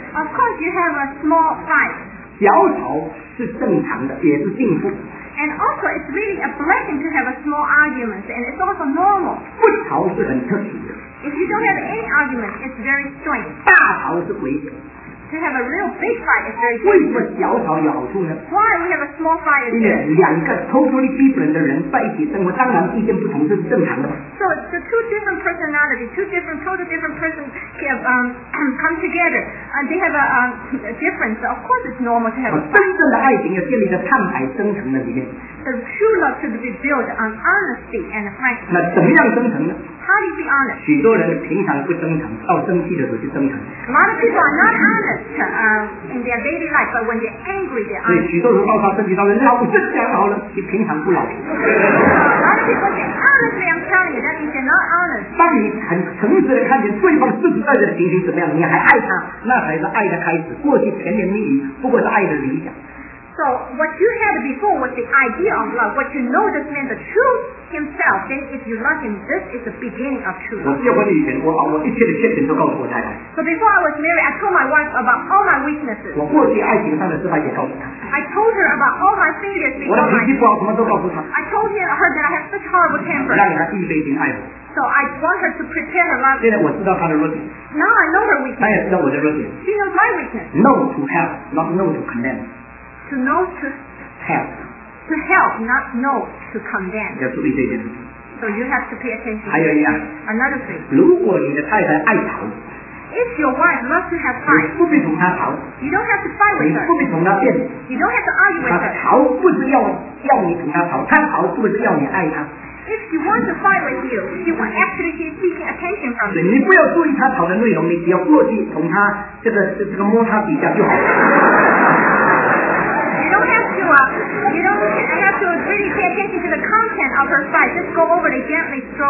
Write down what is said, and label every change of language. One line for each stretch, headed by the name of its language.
English: Of course, you have a small fight.
Chinese: 小吵是正常的，也是进步。
English: And also, it's really a blessing to have a small argument, and it's also normal.
Chinese: 不吵是很特殊的。
English: If you don't have any argument, it's very strange.
Chinese: 大吵是鬼。
English: To have a real big fight is very good.
Chinese: 为什么小吵有好处呢？
English: Why we have a small fight is good?
Chinese: 因为两个
English: totally different
Chinese: 的人在一起生活，当然意见不同是正常的。
English: So the two different personalities, two different, totally different persons have come together, and they have a difference. Of course, it's normal to have.
Chinese: 真正的爱情要建立在坦白真诚的里面。
English: The true love should be built on honesty and frankness.
Chinese: 那怎么样真诚呢？
English: How do you be honest?
Chinese: 许多人平常不真诚，到生气的时候就真诚。
English: A lot of people are not honest in their daily life, but when they're angry, they're honest.
Chinese: 许多人爆发生气，他说：“老子讲好了，你平常不老实。”
English: A lot of people say honestly, I'm telling you, that means they're not honest.
Chinese: 当你很诚实的看见对方真实爱的情形怎么样，你还爱他，那才是爱的开始。过去甜言蜜语不过是爱的理想。
English: So what you had before was the idea of love. What you know this man, the truth himself, then if you love him, this is the beginning of truth.
Chinese: 我结婚以前，我一切的缺点都告诉我太太。
English: So before I was married, I told my wife about all my weaknesses.
Chinese: 我过去爱情上的失败也告诉她。
English: I told her about all my failures.
Chinese: 我的脾气不好，什么都告诉她。
English: I told her that I have such horrible temper.
Chinese: 让她预备心爱我。
English: So I want her to prepare her love.
Chinese: 现在我知道她的弱点。
English: Now I know her weakness.
Chinese: 她也知道我的弱点。
English: She knows my weakness. No to help, not no to condemn. To know to help. To help, not know to condemn.
Chinese: 要注意这件事。
English: So you have to pay attention.
Chinese: 还有一样。
English: Another thing.
Chinese: 如果你的太太爱吵。
English: If your wife loves to have fight.
Chinese: 你不必同她吵。
English: You don't have to fight with her.
Chinese: 你不必同她辩。
English: You don't have to argue with her.
Chinese: 她吵不是要你同她吵，她吵不是要你爱她。
English: If she wants to fight with you, she will actually be seeking attention from you.
Chinese: 你不要注意她吵的内容，你只要过去同她这个摸她几下就好。
English: You don't have to really pay attention to the content of her fight. Just go over it gently.